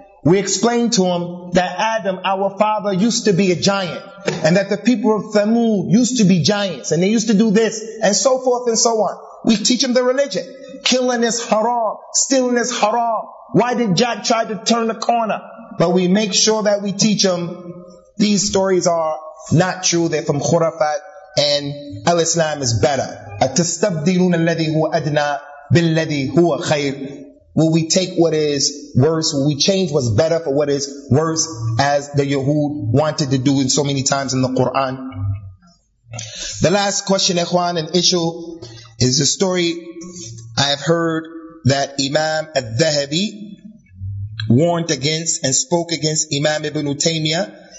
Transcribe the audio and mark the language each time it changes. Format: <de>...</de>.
<en>We explain to them that Adam, our father, used to be a giant, and that the people of Thamud used to be giants and they used to do this and so forth and so on. We teach them the religion. Killing is haram. Stealing is haram. Why did Jack try to turn the corner? But we make sure that we teach them these stories are not true. They're from khurafat, and al-Islam is better.</en> <ar>أَتَسْتَبْدِلُونَ الَّذِي هُوَ أَدْنَى بِالَّذِي هُوَ خَيْرٌ</ar> <en>Will we take what is worse? Will we change what's better for what is worse, as the Yahud wanted to do in so many times in the Quran? The last question, Ikhwan, and issue is a story I have heard that Imam al-Dhahabi warned against and spoke against Imam Ibn Taymiyyah.</en>